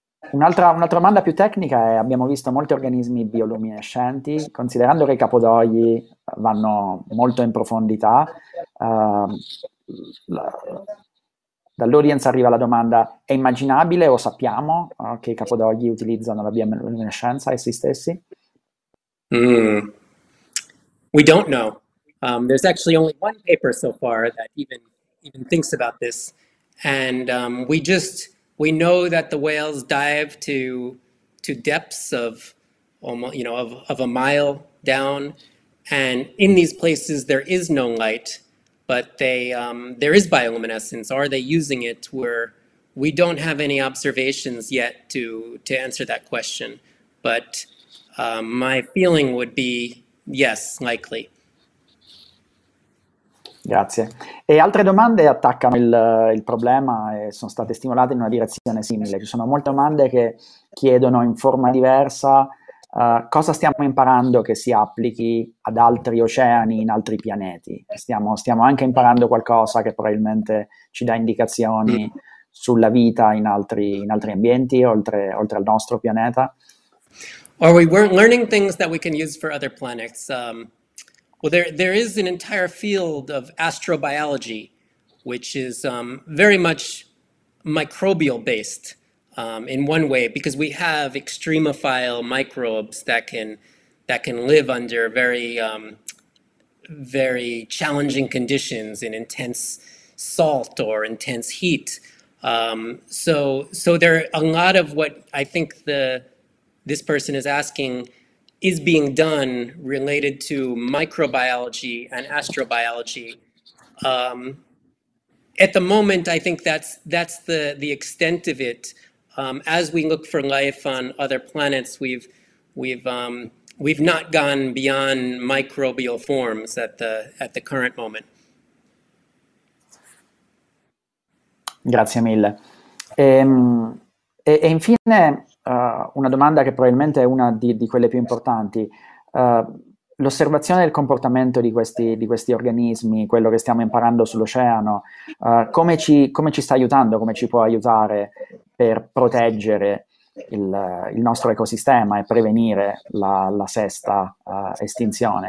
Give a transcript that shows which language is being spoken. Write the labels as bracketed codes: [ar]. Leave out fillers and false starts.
[it] Un'altra domanda più tecnica è, abbiamo visto molti organismi bioluminescenti, considerando che i capodogli vanno molto in profondità, dall'audience arriva la domanda, è immaginabile o sappiamo che i capodogli utilizzano la bioluminescenza essi stessi? [en] We don't know. There's actually only one paper so far that even thinks about this, and we know that the whales dive to depths of almost, you know, of a mile down, and in these places there is no light, but they there is bioluminescence. Are they using it? Where we don't have any observations yet to answer that question, but my feeling would be yes, likely. [it] Grazie. E altre domande attaccano il problema e sono state stimolate in una direzione simile. Ci sono molte domande che chiedono in forma diversa cosa stiamo imparando che si applichi ad altri oceani, in altri pianeti. Stiamo anche imparando qualcosa che probabilmente ci dà indicazioni sulla vita in altri ambienti, oltre al nostro pianeta. [en] Or we're learning things that we can use for other planets. Well, there is an entire field of astrobiology, which is very much microbial-based in one way, because we have extremophile microbes that can live under very, very challenging conditions in intense salt or intense heat. So there are a lot of what I think this person is asking is being done related to microbiology and astrobiology. At the moment, I think that's the extent of it. As we look for life on other planets, we've not gone beyond microbial forms at the current moment. [it] Grazie mille. E infine una domanda che probabilmente è una di quelle più importanti. L'osservazione del comportamento di questi organismi, quello che stiamo imparando sull'oceano, come ci sta aiutando, come ci può aiutare per proteggere il nostro ecosistema e prevenire la sesta estinzione?